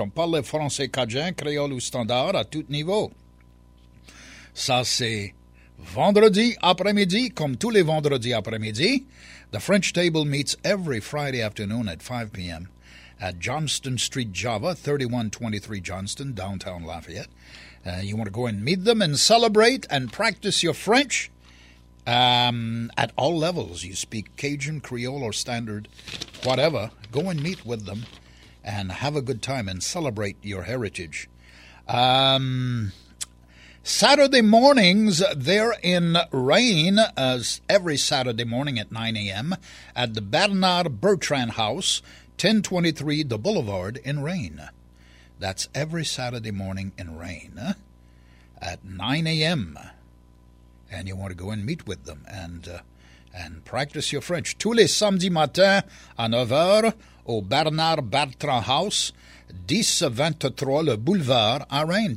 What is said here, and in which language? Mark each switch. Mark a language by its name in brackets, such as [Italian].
[French] On parle français cajun, créole ou standard à tout niveau. Ça, c'est vendredi après-midi, comme tous les vendredis après-midi. [English] The French Table meets every Friday afternoon at 5 p.m. at Johnston Street, Java, 3123 Johnston, downtown Lafayette. You want to go and meet them and celebrate and practice your French? At all levels, you speak Cajun, Creole, or standard, whatever. Go and meet with them and have a good time and celebrate your heritage. Saturday mornings, they're in rain as every Saturday morning at 9 a.m. at the Bernard Bertrand House, 1023 The Boulevard in rain. That's every Saturday morning in rain at 9 a.m., and you want to go and meet with them and practice your French. [French] Tous les samedis matins à 9h au Bernard Bertrand House, 1023 le boulevard à Rennes.